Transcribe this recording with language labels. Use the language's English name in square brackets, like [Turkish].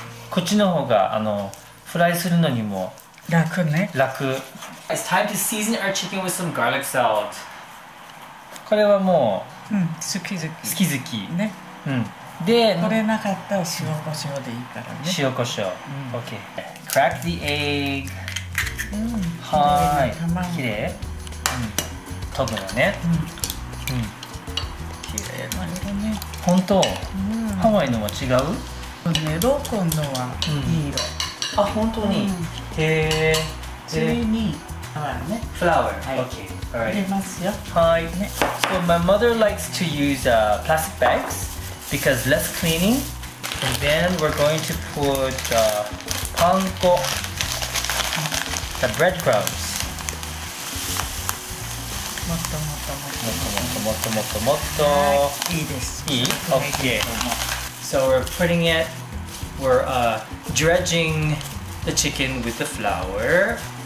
[Japanese] こっちの方が、フライするのにも楽ね。楽。 [English] It's time to season our chicken with some garlic salt. [Japanese] これはもう、うん、好き好き。好き好き。ね。うん。で、これなかったら塩コショウでいいからね。塩コショウ。うん、 [English] OK。 Crack the egg. [Japanese] うん。はーい。卵。きれい。うん。飛ぶのね。うん。うん。きれいな色ね。ほんと？うん。ハワイのも違う？ね、ロコンのはいい色、うん、あ、本当に、うん、へぇ次にフラワーね、フラワー、はい、 [English] OK、 [Japanese] 入れますよ、はい、ね、 [English] So my mother likes to use plastic bags because less cleaning and then we're going to put パン粉、the breadcrumbs [Japanese] もっともっともっともっともっともっともっともっと、いいです、いい、 [English] OK、So we're putting it, we're dredging the chicken with the flour.